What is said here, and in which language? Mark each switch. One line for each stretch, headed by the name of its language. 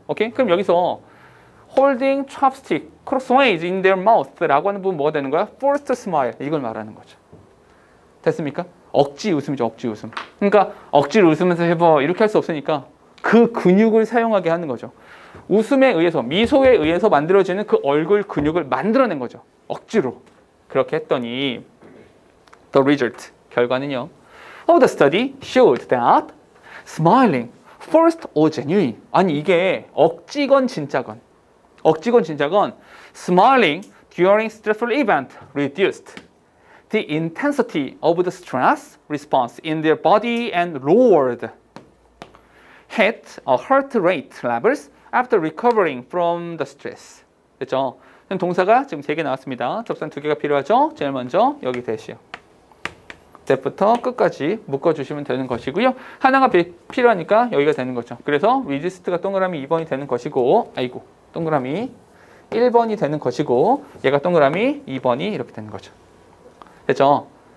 Korean: 오케이? 그럼 여기서
English: holding chopstick, crossways in their mouth
Korean: 라고 하는 부분 뭐가 되는 거야?
English: forced smile.
Korean: 이걸 말하는 거죠. 됐습니까? 억지 웃음이죠. 억지 웃음. 그러니까 억지로 웃으면서 해봐. 이렇게 할 수 없으니까 그 근육을 사용하게 하는 거죠. 웃음에 의해서, 미소에 의해서 만들어지는 그 얼굴 근육을 만들어낸 거죠. 억지로. 그렇게 했더니
English: the result,
Korean: 결과는요.
English: Of the study showed that smiling, forced or genuine.
Korean: 아니, 이게 억지건 진짜건. 억지건 진짜건
English: smiling during stressful event reduced the intensity of the stress response in their body and lowered hit a heart rate levels after recovering from the stress.
Korean: 됐죠? 그럼 동사가 지금 3개 나왔습니다. 접선 2개가 필요하죠? 제일 먼저 여기 대시요. 때부터 끝까지 묶어주시면 되는 것이고요. 하나가 필요하니까 여기가 되는 거죠. 그래서 resist가 동그라미 2번이 되는 것이고, 아이고, 동그라미 1번이 되는 것이고, 얘가 동그라미 2번이 이렇게 되는 거죠. 됐죠?